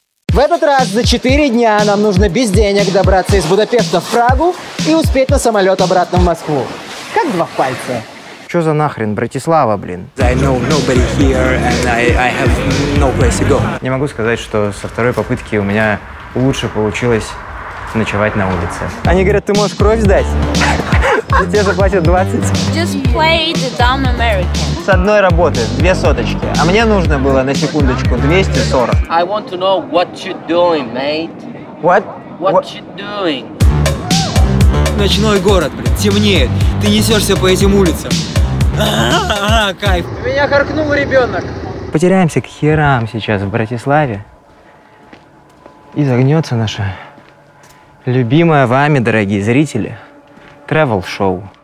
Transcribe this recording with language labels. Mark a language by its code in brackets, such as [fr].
[ru] В этот раз за 4 дня нам нужно без денег добраться из Будапешта в Прагу и успеть на самолет обратно в Москву. Как два пальца. Чё за нахрен, Братислава, блин? [en] I know nobody here and I have no place to go. [ru] Не могу сказать, что со второй попытки у меня лучше получилось ночевать на улице. Они говорят, ты можешь кровь сдать? Тебе заплатят 20. [en] Just play the dumb American. [ru] С одной работы, 2 соточки. А мне нужно было на секундочку 240. [en] I want to know what you're doing, mate. What? What you're doing? [ru] Ночной город, блин, темнеет. Ты несешься по этим улицам. Кайф. Меня харкнул ребенок. Потеряемся к херам сейчас в Братиславе. И загнется наше любимое вами, дорогие зрители, travel-шоу.